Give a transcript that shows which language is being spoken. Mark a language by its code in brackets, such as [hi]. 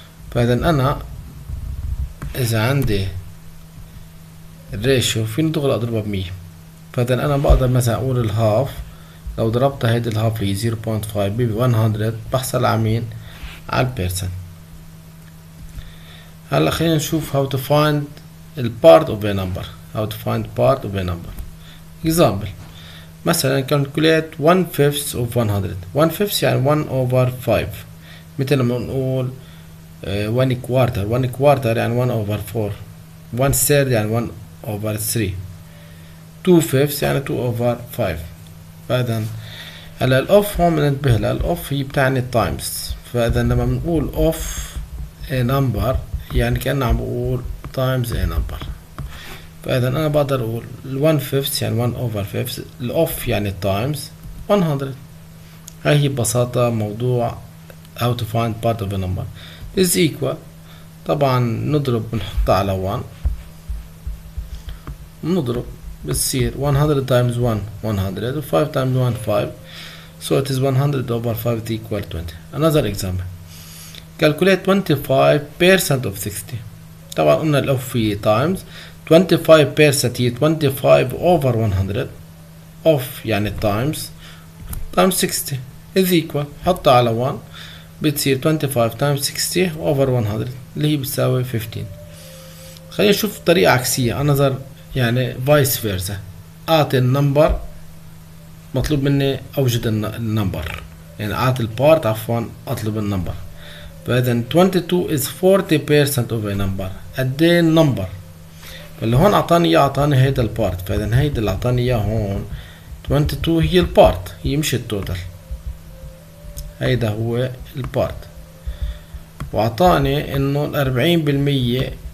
[ar] فاذا انا اذا عندي الريشيو فين دغري اضربها بمية، فاذا انا بقدر مثلا اقول الهاف لو ضربت هيدي الهاف اللي هي 0.5 ب 100 بحصل على مين؟ على البيرسنت. هلا خلينا نشوف [en] how to find the part of a number. How to find part of a number. Example. مثلا calculate 1/5 of 100. 1/5 يعني 1 over 5. [ar] مثل ما نقول 1 quarter. [en] 1 quarter يعني 1 over 4. 1/3 يعني 1 over 3. 2/5 يعني 2 over 5. [ar] فإذا هلا ال of هون بننتبه لها، ال of هي بتعني times. فإذا لما بنقول [en] of a number [ar] يعني كأن عم بقول [en] times a number. [ar] فإذا أنا بقدر أقول 1/5 يعني [en] 1 over 5، [ar] ال of يعني [en] times 100. [ar] هاي هي ببساطة موضوع [en] how to find part of a number is equal. [ar] طبعا نضرب بنحطها على 1 نضرب بتصير [en] 100 times 1 100، و 5 times 1 5، so it is 100 over 5 is equal 20. Another example. Calculate 25% of 60. [ar] طبعا قلنا ال of هي times. [en] 25% [ar] هي [en] 25 over 100 of [ar] يعني [en] times times 60 is equal. [ar] حطها على 1 بتصير 25 [en] times 60 over 100 [ar] اللي هي بتساوي 15. خلينا نشوف طريقة عكسية، another يعني [en] vice versa. [ar] أعطي ال number مطلوب مني أوجد ال number، يعني أعطي ال part عفوا أطلب ال number. [en] فإذا 22 is 40% of a number. [ar] قدي النمبر اللي هون أعطاني إياه؟ أعطاني هيدا البارت. فإذا هيدا اللي أعطاني إياه هون 22 هي البارت، هي مش التوتال، هيدا هو البارت. وأعطاني إنه 40%